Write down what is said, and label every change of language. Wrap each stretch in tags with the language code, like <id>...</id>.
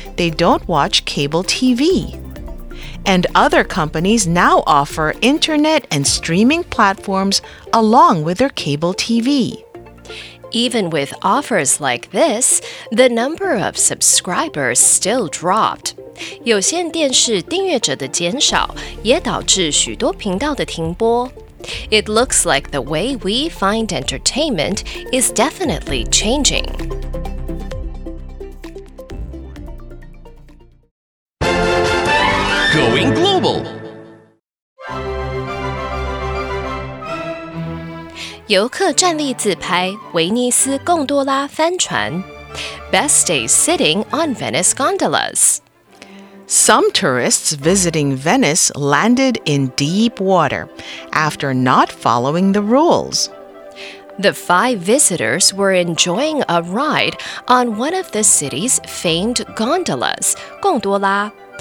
<en>They don't watch cable TV. And other companies now offer internet and streaming platforms along with their cable TV. Even with offers like this, the number of subscribers still dropped.</en> <zh>有线电视订阅者的减少也导致许多频道的停播。</zh> <en>It looks like the way we find entertainment is definitely changing. Going global.</en> <zh>游客站立自拍，威尼斯贡多拉帆船。</zh> <en>Best day sitting on Venice gondolas. Some tourists visiting Venice landed in deep water after not following the rules. The five visitors were enjoying a ride on one of the city's famed gondolas, 贡多拉。</en>